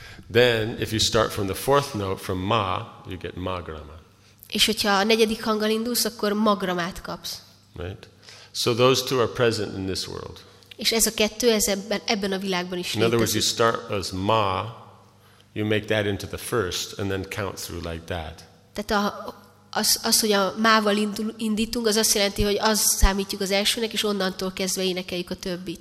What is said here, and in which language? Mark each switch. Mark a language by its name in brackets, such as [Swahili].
[English] Then, if you start from the fourth note, from ma, you get ma grama. [Hungarian] És hogyha a negyedik hanggal indulsz, akkor magramát kapsz. [English] Right. So those two are present in this world. [Hungarian] És ez a kettő ez ebben a világban is létezik. [English] In other words, you start as ma, you make that into the first, and then count through like that. [Hungarian] Tehát az, hogy a mával indítunk, az azt jelenti, hogy az számítjuk az elsőnek, és onnantól kezdve énekeljük a többit.